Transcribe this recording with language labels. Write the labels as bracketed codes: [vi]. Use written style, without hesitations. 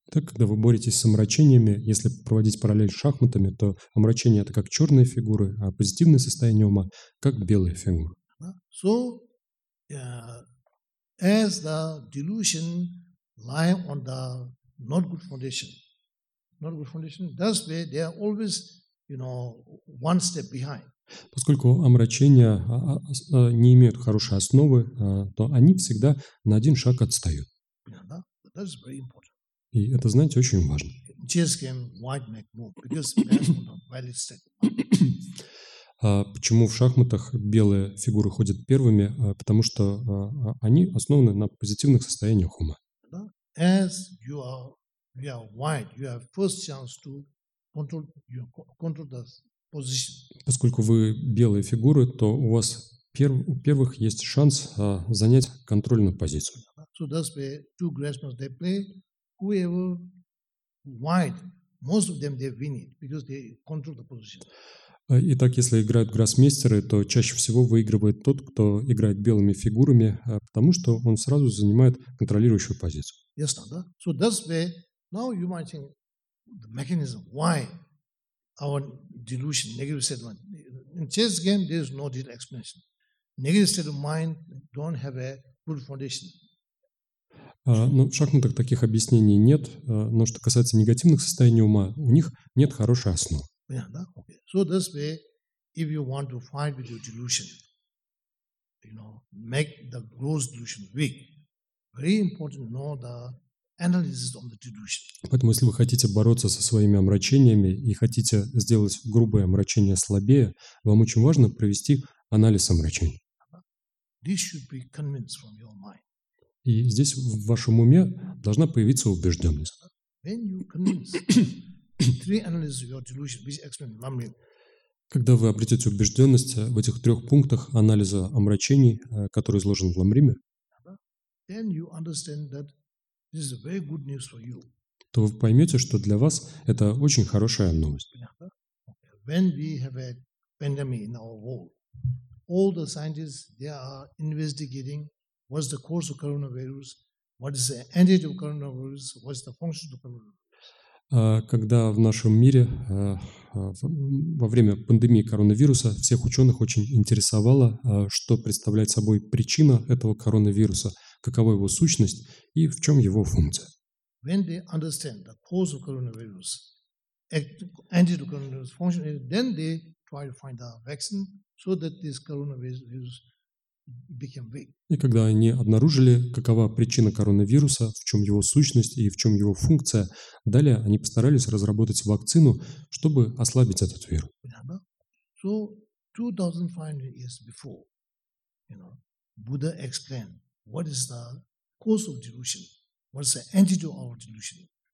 [ru] Так, когда вы боретесь с омрачениями, если проводить параллель с шахматами, то омрачение это как черные фигуры, а позитивное состояние ума как белые фигуры. [en] So, as the delusion lie on the not good foundation, that's where they are always, you know, one step behind. [ru] Поскольку омрачения не имеют хорошей основы, то они всегда на один шаг отстают. [en] Yeah, that's very important. [ru] И это, знаете, очень важно. [en] Chess game white make move because that's on a valid step. [ru] Почему в шахматах белые фигуры ходят первыми? Потому что они основаны на позитивных состояниях ума. [en] As you are you are white, you have first chance to control your control the position. [ru] Поскольку вы белые фигуры, то у вас у первых есть шанс занять контрольную позицию. [en] So that's where two grandmasters they play. Whoever white, most of them they win it because they control the position. [ru] Итак, если играют гроссмейстеры, то чаще всего выигрывает тот, кто играет белыми фигурами, потому что он сразу занимает контролирующую позицию. Yes, да. [en] So that's where now you might think the mechanism why our delusion negative state of mind. In chess game there is no detailed explanation. Negative state of mind don't have a good foundation. [ru] Ну, в шахматах таких объяснений нет, но что касается негативных состояний ума, у них нет хорошей основы. Yeah, да? Okay. [en] So this way, if you want to fight with your delusion, you know, make the gross delusion weak, very important to know the analysis on the delusion. [ru] Поэтому, если вы хотите бороться со своими омрачениями и хотите сделать грубое омрачение слабее, вам очень важно провести анализ омрачений. [en] This should be convinced from your mind. [ru] И здесь в вашем уме должна появиться убежденность. [en] When you convince... Three analyses of your delusion, which explain Lamrim. [ru] Когда вы обретете убежденность в этих трех пунктах анализа омрачений, который изложен в Ламриме, [en] then you understand that this is very good news for you. [ru] То вы поймете, что для вас это очень хорошая новость. [en] When we have a pandemic in our world, all the scientists they are investigating what's the cause of coronavirus, what is the antidote of coronavirus, what's the function of coronavirus. [ru] Когда в нашем мире во время пандемии коронавируса всех ученых очень интересовало, что представляет собой причина этого коронавируса, какова его сущность и в чем его функция. [en] When they understand the cause of coronavirus, anti-coronavirus function, then they try to find a vaccine so that this coronavirus became weak. [ru] И когда они обнаружили, какова причина коронавируса, в чем его сущность и в чем его функция, далее они постарались разработать вакцину, чтобы ослабить этот вирус. [en] So 2500 years before, you know, Buddha explained what is the cause of delusion, what is the antidote of our delusion.